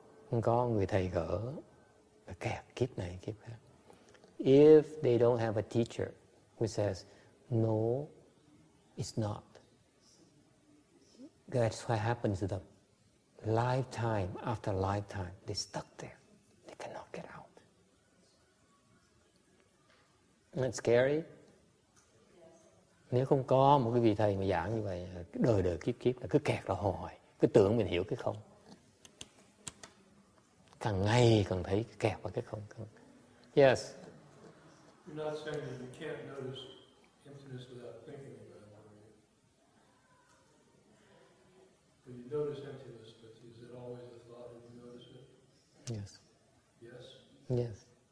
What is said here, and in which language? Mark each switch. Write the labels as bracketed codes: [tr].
[vi] Không có người thầy gỡ, kẹt kiếp này, kiếp khác. [en] If they don't have a teacher who says, no, it's not. That's what happens to them. Lifetime after lifetime, they're stuck there. They cannot get out. Isn't that scary? Yes. [vi] Nếu không có một cái vị thầy mà giảng như vậy, đời đời kiếp kiếp, cứ kẹt là hồi, cứ tưởng mình hiểu cái không. Càng ngày càng thấy kẹt và cái không. [en] Yes. You're not saying you can't notice emptiness without thinking about it. You notice emptiness, but is it always a thought that you notice it? Yes. Yes? Yes.